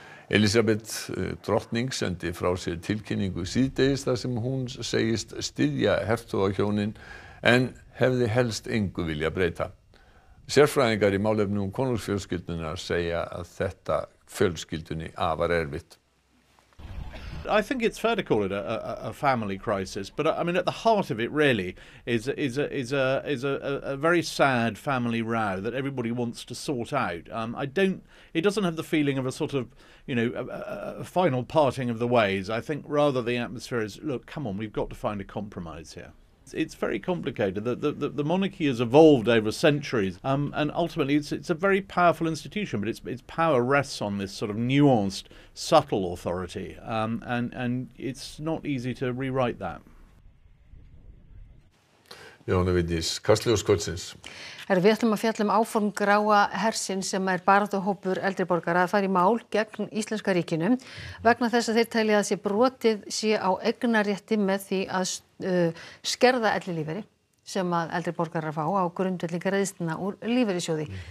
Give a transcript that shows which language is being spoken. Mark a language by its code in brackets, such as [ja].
[is] Elisabeth drottning sendi frá sér tilkynningu síðdegis þar sem hún segist styðja hertogahjónin en hefði helst engu vilja breyta. Sérfræðingar í málefnum konungsfjölskyldunar segja að þetta fjölskyldunni afar erfitt. [en] I think it's fair to call it a family crisis, but I mean at the heart of it really is a very sad family row that everybody wants to sort out. It doesn't have the feeling of a sort of, you know, a final parting of the ways. I think rather the atmosphere is, look, come on, we've got to find a compromise here. It's very complicated. The monarchy has evolved over centuries, and ultimately it's a very powerful institution, but its power rests on this sort of nuanced, subtle authority, and it's not easy to rewrite that. [is] Jóhanna Vigdís, Kastljós kvöldsins. Við ætlum að fjalla áform gráa hersins sem baráttuhópur eldri borgara að fara í mál gegn íslenska ríkinu vegna þess að þeir telja að sé brotið sé á eignarrétti með því að skerða ellilífeyri sem að eldri borgarar fá á grundvelli greiðslna úr lífeyrissjóði.